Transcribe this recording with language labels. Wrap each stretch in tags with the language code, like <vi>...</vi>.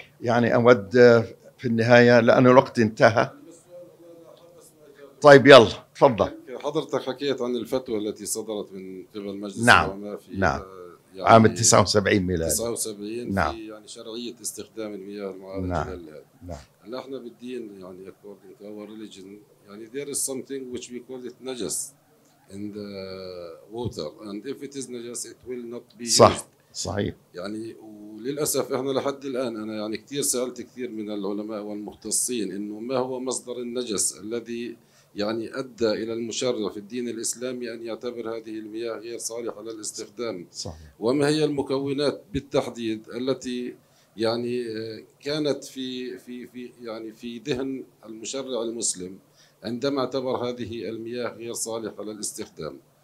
<ar>يعني أود في النهاية لأن الوقت انتهى. طيب يلا تفضل. حضرتك حكيت عن الفتوى التي صدرت من قبل مجلس العلماء في عام 79 ميلادي. 79 نعم. في يعني شرعية استخدام المياه المعالجة. نعم. لهذا. نعم. احنا بالدين يعني</ar> <en>according to our religion</en> <ar>يعني</ar> <en>there is something which we call it najas in the water and if it is najas it will not be</en> <ar>صح.</ar> <en>used.</en> <ar>صحيح. يعني وللأسف احنا لحد الآن انا يعني كثير سألت كثير من العلماء والمختصين انه ما هو مصدر النجس الذي يعني ادى الى المشرع في الدين الإسلامي ان يعتبر هذه المياه غير صالحة للاستخدام. صحيح. وما هي المكونات بالتحديد التي يعني كانت في في في يعني في ذهن المشرع المسلم عندما اعتبر هذه المياه غير صالحة للاستخدام؟</ar>